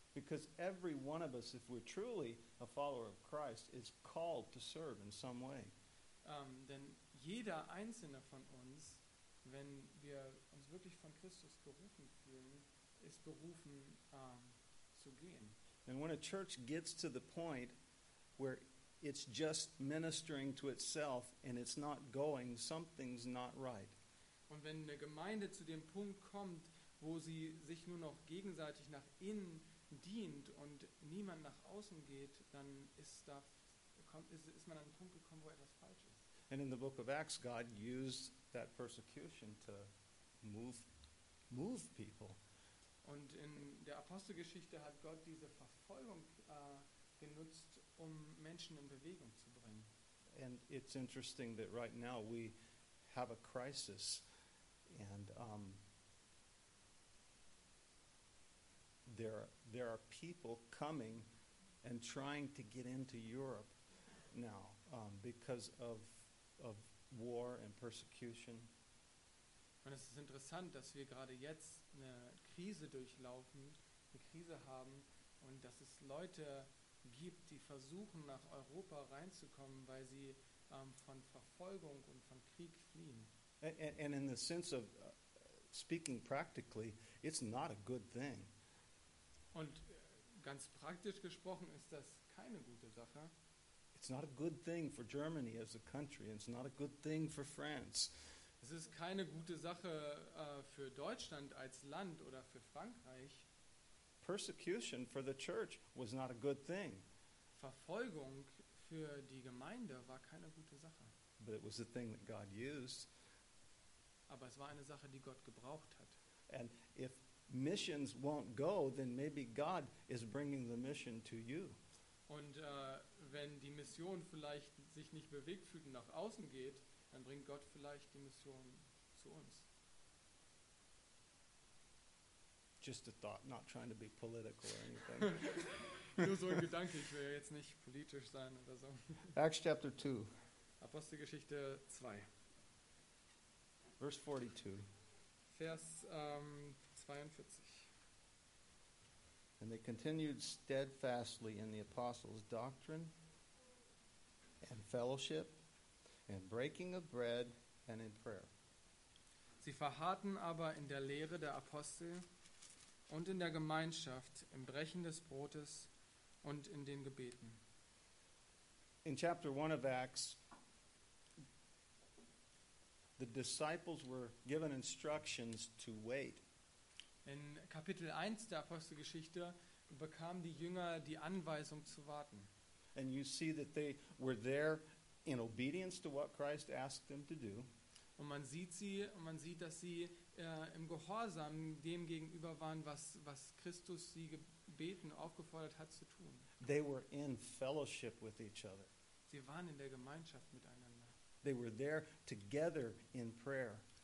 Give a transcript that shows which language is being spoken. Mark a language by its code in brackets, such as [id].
[en] Because every one of us, if we're truly a follower of Christ, is called to serve in some way. [de] Denn jeder einzelne von uns, wenn wir uns wirklich von Christus berufen fühlen, ist berufen zu gehen. [en] And when a church gets to the point where it's just ministering to itself and it's not going, something's not right. [de] Und wenn eine Gemeinde zu dem Punkt kommt, wo sie sich nur noch gegenseitig nach innen dient und niemand nach außen geht, dann ist man an einen Punkt gekommen, wo etwas falsch ist. [en] And in the book of Acts, God used that persecution to move people. [de] Und in der Apostelgeschichte hat Gott diese Verfolgung genutzt, um Menschen in Bewegung zu bringen. [en] And it's interesting that right now we have a crisis and there are people coming and trying to get into Europe now because of war and persecution. [de] Und es ist interessant, dass wir gerade jetzt eine Krise durchlaufen, eine Krise haben, und dass es Leute gibt, die versuchen, nach Europa reinzukommen, weil sie von Verfolgung und von Krieg fliehen. [en] And in the sense of speaking practically, it's not a good thing. [de] Und ganz praktisch gesprochen ist das keine gute Sache. [en] It's not a good thing for Germany as a country. It's not a good thing for France. [de] Es ist keine gute Sache für Deutschland als Land oder für Frankreich. [en] Persecution for the church was not a good thing. [de] Verfolgung für die Gemeinde war keine gute Sache. [en] But it was the thing that God used. [de] Aber es war eine Sache, die Gott gebraucht hat. [en] And if missions won't go, then maybe God is bringing the mission to you. [de] Und wenn die Mission vielleicht sich nicht bewegt fühlt und nach außen geht, dann bringt Gott vielleicht die Mission zu uns. [en] Just a thought, not trying to be political or anything. [de] Nur so ein Gedanke, ich will ja jetzt nicht politisch sein oder so. [en] Acts chapter 2. [de] Apostelgeschichte 2. [en] Verse 42. [de] Vers 42. [en] And they continued steadfastly in the apostles' doctrine and fellowship and breaking of bread and in prayer. [de] Sie verharrten aber in der Lehre der Apostel und in der Gemeinschaft, im Brechen des Brotes und in den Gebeten. [en] In chapter 1 of Acts, the disciples were given instructions to wait. [de] In Kapitel 1 der Apostelgeschichte bekamen die Jünger die Anweisung zu warten. [en] And you see that they were there in obedience to what Christ asked them to do. [de] Und man sieht sie, und man sieht, dass sie im Gehorsam dem gegenüber waren, was Christus sie gebeten, aufgefordert hat zu tun. [en] They were in fellowship with each other. [de] Sie waren in der Gemeinschaft miteinander. [en] They were there together in prayer.